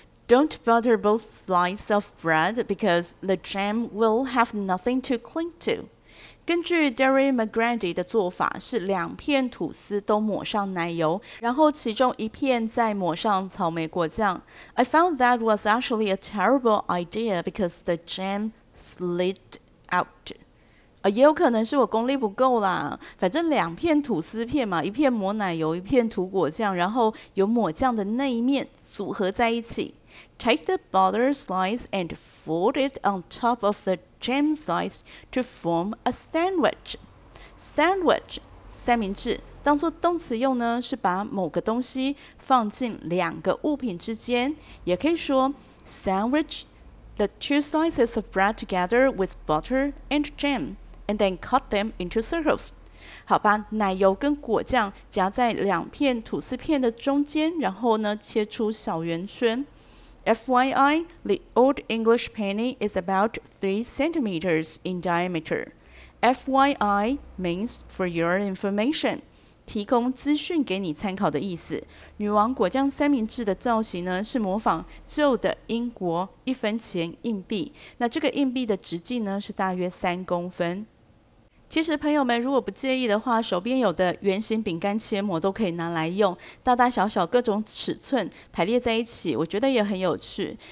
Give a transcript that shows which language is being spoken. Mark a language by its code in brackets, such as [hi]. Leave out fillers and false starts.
[en] Don't butter both slices of bread because the jam will have nothing to cling to. [zh] 根据 Derry McGrady 的做法，是两片吐司都抹上奶油，然后其中一片再抹上草莓果酱。 [en] I found that was actually a terrible idea because the jam slid out. [zh] 也有可能是我功力不够啦，反正两片吐司片嘛，一片抹奶油，一片涂果酱，然后有抹酱的那一面组合在一起。 [en] Take the butter slice and fold it on top of the jam slice to form a sandwich. [zh] Sandwich, 三明治，当作动词用呢，是把某个东西放进两个物品之间，也可以说 sandwich [en] the two slices of bread together with butter and jam. And then cut them into circles. [zh] 好吧，奶油跟果酱夹在两片吐司片的中间，然后呢，切出小圆圈。 [en] FYI, the old English penny is about 3 centimeters in diameter. FYI means for your information. [zh] 提供资讯给你参考的意思。女王果酱三明治的造型呢，是模仿旧的英国一分钱硬币。那这个硬币的直径呢，是大约3公分。其实朋友们如果不介意的话，手边有的圆形饼干切模都可以拿来用，大大小小各种尺寸排列在一起，我觉得也很有趣。